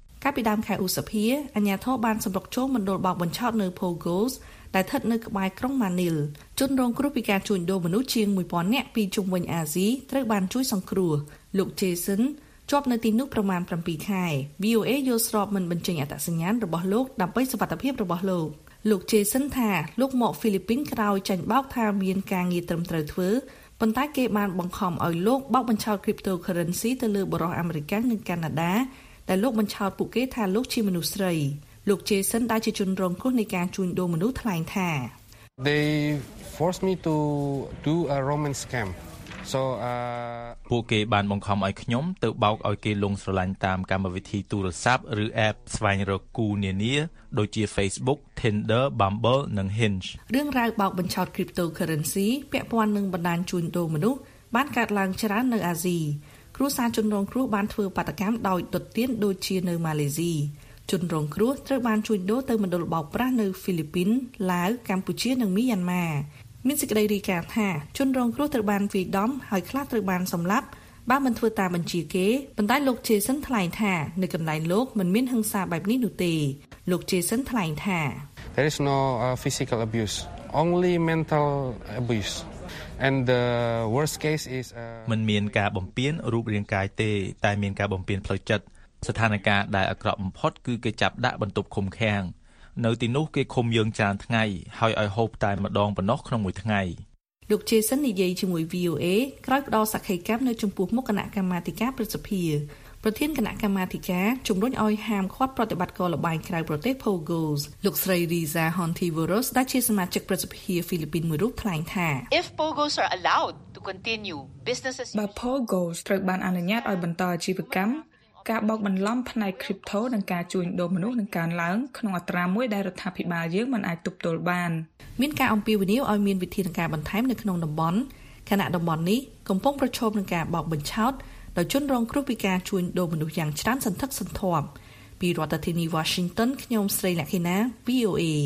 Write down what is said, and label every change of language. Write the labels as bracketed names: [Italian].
[Khmer] កាលពីដើមខែឧសភាអញ្ញាធិបតេយ្យបានសម្រុកចូលមណ្ឌលបោកបញ្ឆោតនៅ Pogos ដែលស្ថិតនៅក្បែរក្រុងម៉ានីលជនរងគ្រោះពីការជួញដូរមនុស្សជាង 1,000 នាក់ពីជុំវិញអាស៊ីត្រូវបានជួយសង្គ្រោះលោក Jason ជាប់នៅទីនោះប្រមាណ7ខែ VOA យល់ស្របមិនបញ្ចេញអត្តសញ្ញាណរបស់លោកដើម្បីសុវត្ថិភាពរបស់លោកលោក Jason ថាលោកមកហ្វីលីពីនក្រោយចាញ់បោកថាមានការងារត្រឹមត្រូវធ្វើ ប៉ុន្តែគេបានបង្ខំឲ្យលោកបោកបញ្ឆោត cryptocurrency ទៅលើបរិយាអាមេរិកនិងកាណាដាដែលលោកបញ្ឆោតពួកគេថាលោកជាមនុស្សស្រីលោក Jason ដែលជាជនរងគ្រោះនៃការជួញដូរមនុស្សថ្លែងថា [English] They forced me to do a Roman scam. So [Khmer] ពួកគេបានបង្ខំឲ្យខ្ញុំទៅបោកឲ្យគេលងស្រឡាញ់តាមកម្មវិធីទូរស័ព្ទឬ App ស្វែងរកគូនានាដូចជា Facebook, Tinder, Bumble និង Hinge. រឿងរ៉ាវបោកបញ្ឆោត cryptocurrency ពាក់ព័ន្ធនឹងបណ្ដាញជួញដូរមនុស្សបានកើតឡើងច្រើននៅអាស៊ី។គ្រួសារជនរងគ្រោះបានធ្វើបាតកម្មដោយទុតិយដូចជានៅម៉ាឡេស៊ី។ជនរងគ្រោះត្រូវបានជួញដូរទៅមណ្ឌលបោកប្រាស់នៅហ្វីលីពីនឡាវកម្ពុជានិងមីយ៉ាន់ម៉ាមានសេចក្តីរាយការណ៍ថាជនរងគ្រោះត្រូវបានវាយដំហើយខ្លះត្រូវបានសម្លាប់បើមិនធ្វើតាមបញ្ជាគេប៉ុន្តែលោក Jason ថ្លែងថានៅកន្លែងលោកមិនមានហិង្សាបែបនេះនោះទេលោក Jason ថ្លែងថា [English] There is no physical abuse, only mental abuse. And the worst case is [Khmer] មិនមានការបំពានរូបរាងកាយទេតែមានការបំពានផ្លូវចិត្តស្ថានភាពដែលអាក្រក់បំផុតគឺគេចាប់ដាក់បន្ទប់ឃុំឃាំងនៅទីនោះគេឃុំយើងច្រើនថ្ងៃហើយឲ្យហូបតែម្ដងប៉ុណ្ណោះក្នុងមួយថ្ងៃ លោក Jason និយាយជាមួយ VOA ក្រោយផ្ដល់សក្ខីកម្មនៅចំពោះមុខគណៈកម្មាធិការប្រសិទ្ធិប្រធានគណៈកម្មាធិការជំរុញឲ្យហាមឃាត់ប្រតិបត្តិការលបាយក្រៅប្រទេស Pogos លោកស្រី Riza Hontiveros ដែលជាសមាជិកប្រសិទ្ធិហ្វីលីពីនមួយរូបថ្លែងថា [English] If Pogos are allowed to continue businesses [Khmer] បើ Pogos ត្រូវបានអនុញ្ញាតឲ្យបន្តអាជីវកម្មការបោកបន្លំផ្នែក crypto និងការជួញដូរមនុស្សនឹងកើនឡើងក្នុងអត្រាមួយដែលរដ្ឋាភិបាលយើងមិនអាចទប់ទល់បាន មានការអំពាវនាវឲ្យមានវិធានការបន្ថែមនៅក្នុងតំបន់ខណៈតំបន់នេះកំពុងប្រឈមនឹងការបោកបញ្ឆោតដោយជនរងគ្រោះពីការជួញដូរមនុស្សយ៉ាងច្រើនសន្ធឹកសន្ធាប់ពីរដ្ឋធានី Washington ខ្ញុំស្រីលក្ខិណា VOA